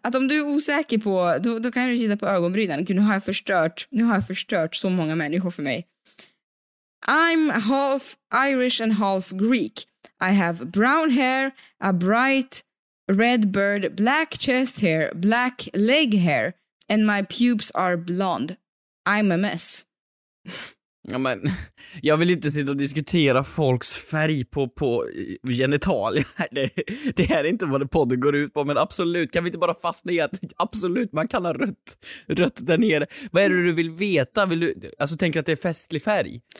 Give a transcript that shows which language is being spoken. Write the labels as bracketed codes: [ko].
[sv] Att om du är osäker på, då kan du titta på ögonbrynen. Nu har jag förstört. Nu har jag förstört så många människor för mig. [en] I'm half Irish and half Greek. I have brown hair, a bright red beard, black chest hair, black leg hair, and my pubes are blonde. I'm a mess. [sv] Ja, men, jag vill inte sitta och diskutera folks färg på genitalier. Det här är inte vad podden går ut på, men absolut, kan vi inte bara fastna i att absolut, man kallar rött där nere. Vad är det du vill veta? Vill du, alltså, tänker att det är festlig färg?